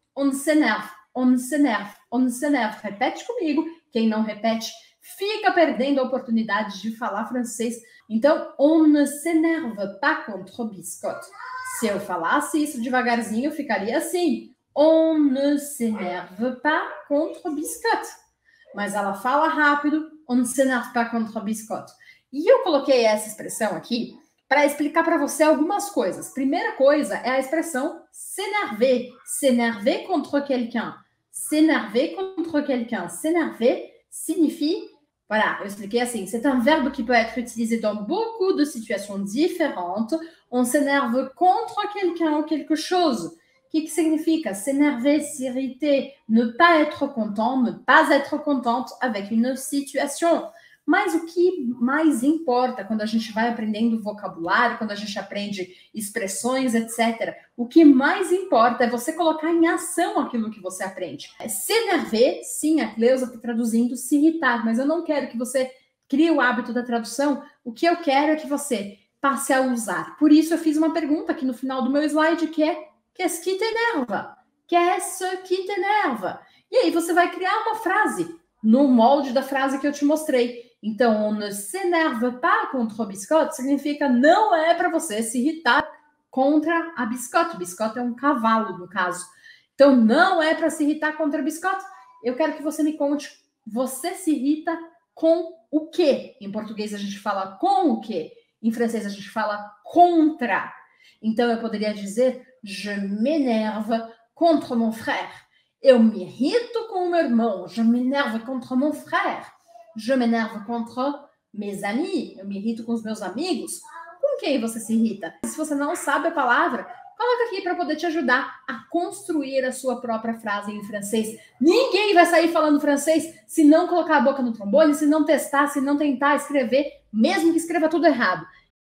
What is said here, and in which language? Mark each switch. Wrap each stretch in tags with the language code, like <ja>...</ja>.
<fr>On ne s'énerve, on ne s'énerve, on ne s'énerve.</fr> <pt>Repete comigo. Quem não repete, fica perdendo a oportunidade de falar francês. Então,</pt> <fr>on ne s'énerve pas contre biscotte.</fr> <pt>Se eu falasse isso devagarzinho, ficaria assim.</pt> <fr>On ne s'énerve pas contre biscotte.</fr> <pt>Mas ela fala rápido,</pt> <fr>on ne s'énerve pas contre biscotte.</fr> <pt>E eu coloquei essa expressão aqui para explicar para você algumas coisas. Primeira coisa é a expressão s'énerver.</pt> <fr>S'énerver contre quelqu'un. S'énerver contre quelqu'un. S'énerver signifie... Voilà,</fr> <pt>eu expliquei assim.</pt> <fr>C'est un verbe qui peut être utilisé dans beaucoup de situations différentes. On s'énerve contre quelqu'un ou quelque chose.</fr> <pt>Que significa</pt> <fr>s'énerver, s'irriter, ne pas être content, ne pas être contente avec une situation.</fr> <pt>Mas o que mais importa quando a gente vai aprendendo vocabulário, quando a gente aprende expressões, etc., o que mais importa é você colocar em ação aquilo que você aprende. S'énerver, sim, a Cleusa está traduzindo se irritar, mas eu não quero que você crie o hábito da tradução. O que eu quero é que você passe a usar. Por isso, eu fiz uma pergunta aqui no final do meu slide, que é</pt> <fr>qu'est-ce qui t'énerve? Qu'est-ce qui t'énerve?</fr> <pt>E aí você vai criar uma frase no molde da frase que eu te mostrei. Então,</pt> <fr>on ne s'énerve pas contre biscotte</fr> <pt>significa não é para você se irritar contra a biscotte. Biscotte é um cavalo, no caso. Então, não é para se irritar contra a biscotte. Eu quero que você me conte, você se irrita com o quê? Em português, a gente fala com o quê? Em francês, a gente fala contra. Então, eu poderia dizer,</pt> <fr>je m'énerve contre mon frère.</fr> <pt>Eu me irrito com o meu irmão.</pt> <fr>Je m'énerve contre mon frère. Je m'énerve contre mes amis.</fr> <pt>Eu me irrito com os meus amigos. Com quem você se irrita? Se você não sabe a palavra, coloca aqui para poder te ajudar a construir a sua própria frase em francês. Ninguém vai sair falando francês se não colocar a boca no trombone, se não testar, se não tentar escrever, mesmo que escreva tudo errado.</pt>